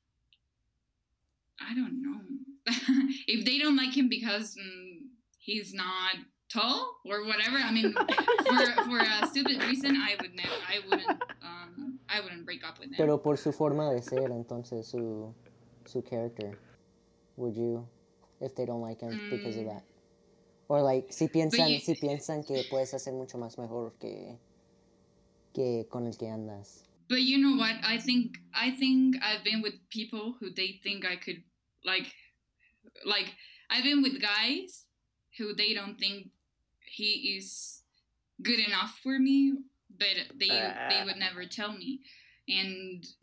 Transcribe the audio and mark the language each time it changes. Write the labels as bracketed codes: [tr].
[en] Because, I don't know. If they don't like him because he's not tall or whatever, I mean, for a stupid reason, I wouldn't break up with him. [es] Pero por su forma de ser, entonces, su [en] character, would you, if they don't like him because of that? Or like, [es] si piensan que puedes hacer mucho más mejor que con el que andas. [en] But you know what? I think I've been with people who they think I could, like I've been with guys who they don't think he is good enough for me, but they would never tell me. And